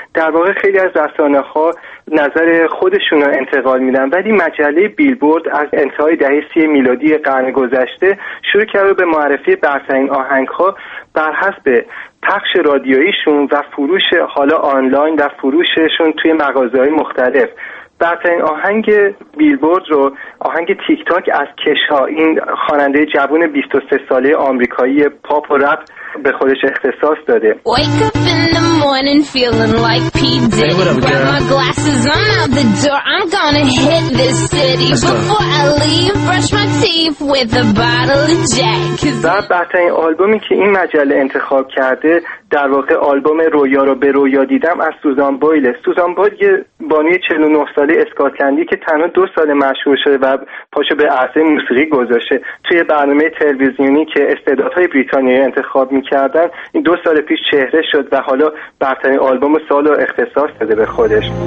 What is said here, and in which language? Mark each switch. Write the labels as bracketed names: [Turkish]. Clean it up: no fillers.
[Persian] در واقع خیلی از رسانه ها نظر خودشون رو انتقال میدن، ولی مجله بیلبورد از انتهای دهه 30 میلادی قرن گذشته شروع کرده به معرفی برترین آهنگ ها بر حسب پخش رادیویشون و فروش حالا آنلاین و فروششون توی مغازه‌های مختلف. برترین آهنگ بیلبورد رو آهنگ تیک تاک از کشا، این خواننده جوان 23 ساله آمریکایی پاپ و رپ، به خودش اختصاص داده. [English] Wake up in the morning feeling like P. Diddy. Grab my glasses, I'm out the door. I'm gonna hit this city. Before I leave, brush my teeth with a bottle of Jack. [Persian] بعد بهترین آلبومی که این مجله انتخاب کرده، در واقع آلبوم رویا رو به رویا دیدم از سوزان بویل. سوزان بویل یه بانوی 49 ساله اسکاتلندی که تنها 2 سال مشهور شده و پاشو به عرصه موسیقی گذاشته. توی برنامه تلویزیونی که استعدادهای بریتانیایی انتخاب می‌کردن، این 2 سال پیش چهره شد و حالا برترین آلبوم سال رو اختصاص داده به خودش.